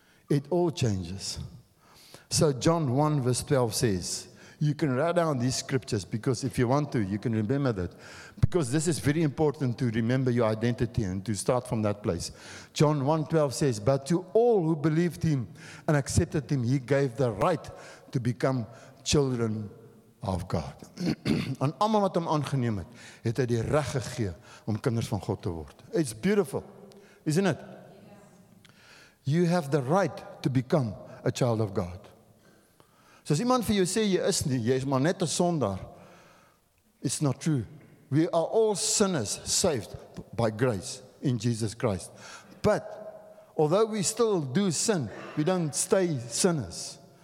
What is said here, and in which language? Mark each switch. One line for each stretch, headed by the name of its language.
English: It all changes. So John 1 verse 12 says, you can write down these scriptures because if you want to, you can remember that. Because this is very important to remember your identity and to start from that place. John 1 12 says, but to all who believed him and accepted him, he gave the right to become children of God.
Afrikaans: En almal wat hom aangeneem het, het hy die reg gegee om kinders van God te word.
English: It's beautiful. Isn't it? You have the right to become a child of God.
Afrikaans: So as iemand vir jou sê, jy is nie, jy is maar net 'n sondaar,
English: it's not true. We are all sinners saved by grace in Jesus Christ. But although we still do sin, we don't stay sinners.